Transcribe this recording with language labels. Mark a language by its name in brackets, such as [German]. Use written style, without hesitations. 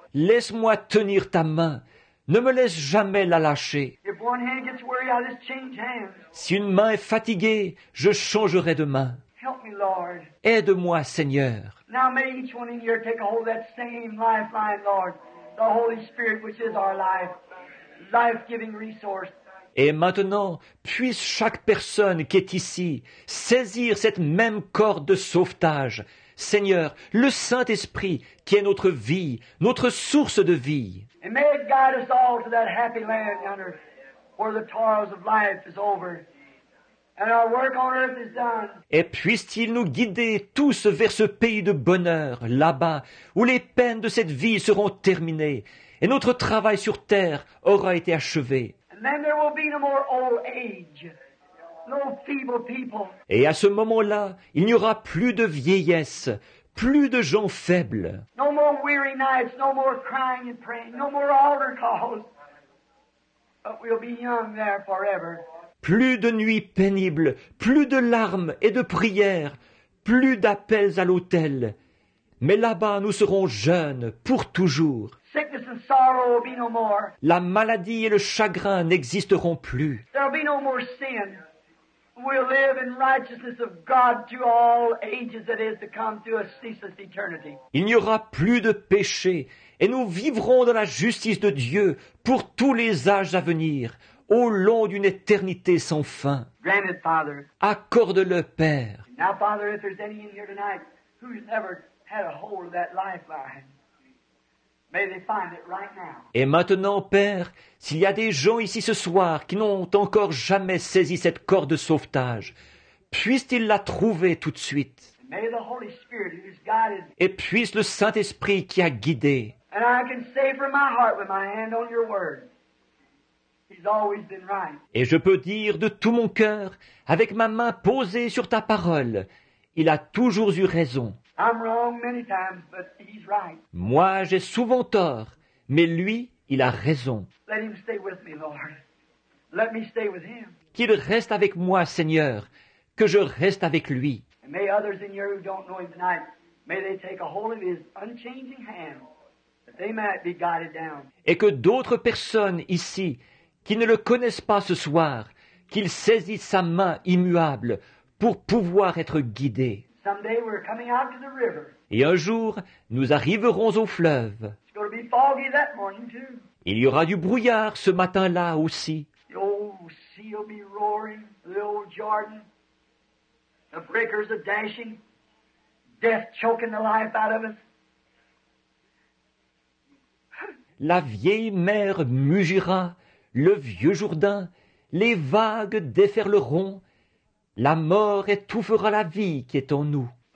[French] Laisse-moi tenir ta main. Ne me laisse jamais la lâcher. [English] If one hand gets weary, I'll just change hands. [French] Si une main est fatiguée, je changerai de main. [English] Help me, Lord. [French] Aide-moi, Seigneur. [English] Now may each one in here take a hold of that same lifeline, Lord. The Holy Spirit, which is our life. Life-giving resource. [French] Et maintenant, puisse chaque personne qui est ici saisir cette même corde de sauvetage. Seigneur, le Saint-Esprit qui est notre vie, notre source de vie. [English] And may it guide us all to that happy land yonder, where the toils of life is over, and our work on earth is done. [French] Et puisse-t-il nous guider tous vers ce pays de bonheur, là-bas, où les peines de cette vie seront terminées, et notre travail sur terre aura été achevé. [English] And then there will be no more old age, no feeble people. [French] Et à ce moment-là, il n'y aura plus de vieillesse, plus de gens faibles. [English] No more weary nights, no more crying and praying, no more altar calls. But we'll be young there forever. [French] Plus de nuits pénibles, plus de larmes et de prières, plus d'appels à l'autel. Mais là-bas, nous serons jeunes pour toujours. [English] Sickness and sorrow will be no more. [French] La maladie et le chagrin n'existeront plus. [English] There'll be no more sin. We'll live in righteousness of God to all ages that is to come to a ceaseless eternity. [French] Il n'y aura plus de péché et nous vivrons dans la justice de Dieu pour tous les âges à venir, au long d'une éternité sans fin. [English] Grant it, Father. [French] Accorde-le, Père. [English] Now, Father, if there's any in here tonight who's never had a hold of that lifeline, may they find it right now. [French] Et maintenant, Père, s'il y a des gens ici ce soir qui n'ont encore jamais saisi cette corde de sauvetage, puissent-ils la trouver tout de suite? [English] May the Holy Spirit who's guided. [French] Et puisse le Saint-Esprit qui a guidé. [English] And I can say from my heart with my hand on your word, He's always been right. [French] Et je peux dire de tout mon cœur, avec ma main posée sur ta parole, il a toujours eu raison. [English] I'm wrong many times, but he's right. [French] Moi, j'ai souvent tort, mais lui, il a raison. [English] Let him stay with me, Lord. Let me stay with him. [French] Qu'il reste avec moi, Seigneur, que je reste avec lui. [English] And may others in here who don't know him tonight, may they take a hold of his unchanging hand, that they might be guided down. [French] Et que d'autres personnes ici, qui ne le connaissent pas ce soir, qu'ils saisissent sa main immuable pour pouvoir être guidés. [English] Someday we're coming out to the river. [French] Et un jour, nous arriverons au fleuve. [English] It's going to be foggy that morning too. [French] Il y aura du brouillard ce matin-là aussi. [English] The old sea will be roaring, the old Jordan. The breakers are dashing, death choking the life out of us. [French] La vieille mer mugira, le vieux Jourdain, les vagues déferleront. La mort étouffera la vie qui est en nous.